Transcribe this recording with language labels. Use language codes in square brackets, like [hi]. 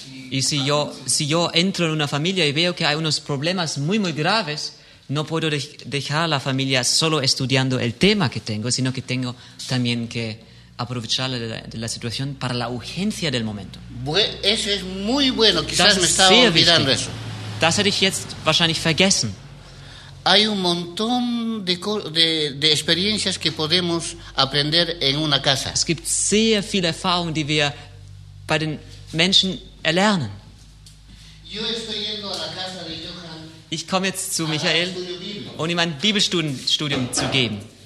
[es] Y si yo entro en una familia y veo que hay unos problemas muy, muy graves, no puedo dejar a la familia solo estudiando el tema que tengo, sino que tengo también que aprovechar de la situación para la urgencia del momento. Eso es muy bueno, quizás me estaba olvidando [de] wichtig. [es] Eso. [de] Das hätte ich jetzt wahrscheinlich vergessen. [es] Hay un montón de experiencias que podemos aprender en una casa. [de] Es gibt sehr viele Erfahrungen, die wir bei den Menschen erlernen. [es] Yo estoy yendo a la casa de Johann. [de] Ich komme jetzt zu Michael, um ihm ein Bibelstudium zu geben.